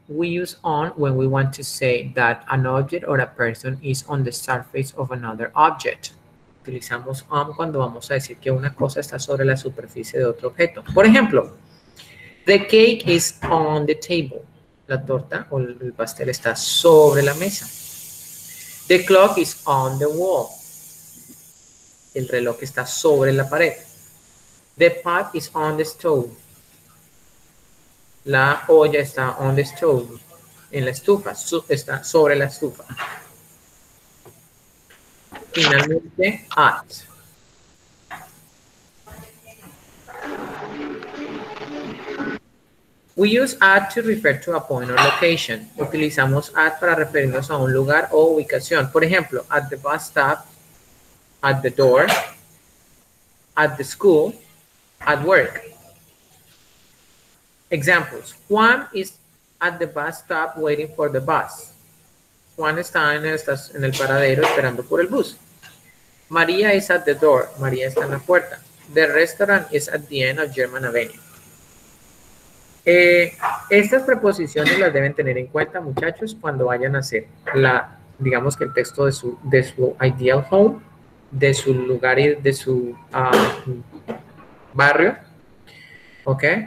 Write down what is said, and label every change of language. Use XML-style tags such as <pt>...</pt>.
<en>We use on when we want to say that an object or a person is on the surface of another object.</en> <es>Utilizamos on cuando vamos a decir que una cosa está sobre la superficie de otro objeto. Por ejemplo,</es> <en>the cake is on the table.</en> <es>La torta o el pastel está sobre la mesa.</es> <en>The clock is on the wall.</en> <es>El reloj está sobre la pared.</es> <en>The pot is on the stove.</en> <es>La olla está</es> <en>on the stove,</en> <es>en la estufa, está sobre la estufa. Finalmente, at.</es> <en>We use at to refer to a point or location.</en> <es>Utilizamos at para referirnos a un lugar o ubicación. Por ejemplo,</es> <en>at the bus stop, at the door, at the school, at work. Examples. Juan is at the bus stop waiting for the bus.</en> <es>Juan está en el paradero esperando por el bus.</es> <en>María is at the door.</en> <es>María está en la puerta.</es> <en>The restaurant is at the end of German Avenue.</en> <es>Estas preposiciones las deben tener en cuenta, muchachos, cuando vayan a hacer digamos que el texto de su ideal home, de su lugar y de su barrio. ¿Ok?</es>